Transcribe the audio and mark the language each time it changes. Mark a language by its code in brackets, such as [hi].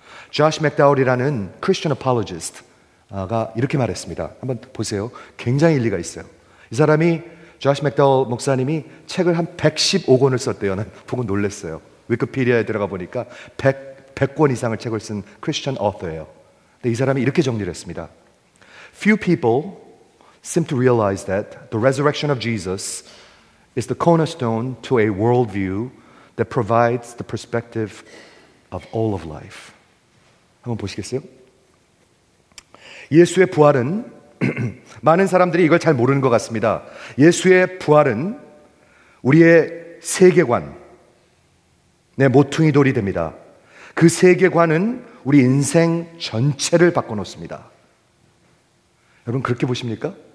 [ko] 조시 맥다울이라는 크리스천 어폴로지스트가 이렇게 말했습니다. 한번 보세요. 굉장히 일리가 있어요. 이 사람이, 조시 맥다울 목사님이 책을 한 115권을 썼대요. 난 보고 놀랐어요. 위키피디아에 들어가 보니까 100권 이상을 책을 쓴 크리스천 어터예요. 근데 이 사람이 이렇게 정리를 했습니다. [en] Few people seem to realize that the resurrection of Jesus is the cornerstone to a worldview that provides the perspective of all of life. [ko] 한번 보시겠어요? 예수의 부활은 많은 사람들이 이걸 잘 모르는 것 같습니다. 예수의 부활은 우리의 세계관, 네, 모퉁이 돌이 됩니다. 그 세계관은 우리 인생 전체를 바꿔놓습니다. 여러분, 그렇게 보십니까?